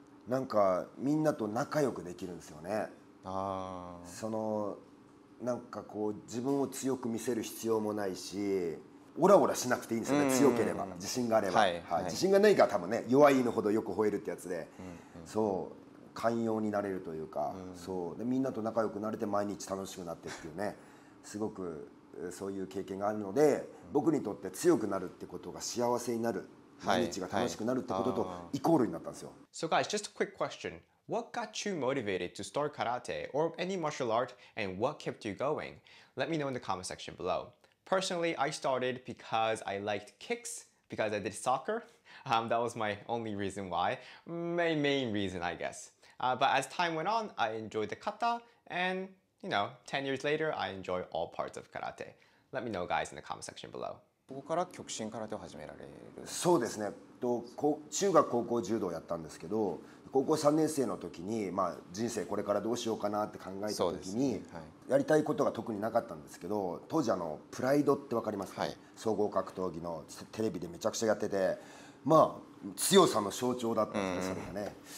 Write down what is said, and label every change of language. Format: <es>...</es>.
<ja>なんかみんなと仲良くできるんですよね。そのなんかこう自分を強く見せる必要もないし、オラオラしなくていいんですよね、強ければ、自信があれば、自信がないから多分ね、弱いのほどよく吠えるってやつで、そう寛容になれるというか、そうでみんなと仲良くなれて毎日楽しくなってっていうね、すごくそういう経験があるので、僕にとって強くなるってことが幸せになる、毎日が楽しくなるってこととイコールになったんですよ。</ja> <en>So guys, just a quick question. What got you motivated to start karate or any martial art and what kept you going? Let me know in the comment section below. Personally, I started because I liked kicks, because I did soccer. That was my only reason why. My main reason, I guess. But as time went on, I enjoyed the kata and... You know, 10 years later, I enjoy all parts of karate. Let me know, guys, in the comment section below.</en> <ja>ここから極真空手を始められる。そうですね。中学高校柔道をやったんですけど、高校3年生の時に、まあ人生これからどうしようかなって考えた時に、やりたいことが特になかったんですけど、当時プライドってわかりますか？総合格闘技のテレビでめちゃくちゃやってて、まあ強さの象徴だったんですよね。</ja>